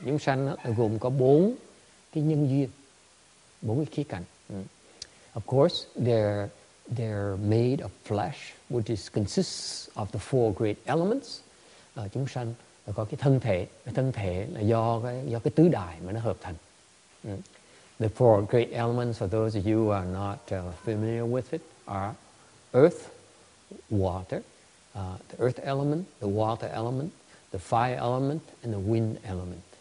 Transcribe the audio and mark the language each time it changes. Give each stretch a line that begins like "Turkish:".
Vietnamese: Chúng sanh gồm có bốn cái nhân duyên, bốn cái khí cảnh.
English: Of course, they're made of flesh, which is consists of the four great elements.
Vietnamese: Chúng sanh có cái thân thể là do cái tứ đại mà nó hợp thành.
English: The four great elements, for those of you who are not familiar with it, are earth, water, the earth element, the water element, the fire element, and the wind element.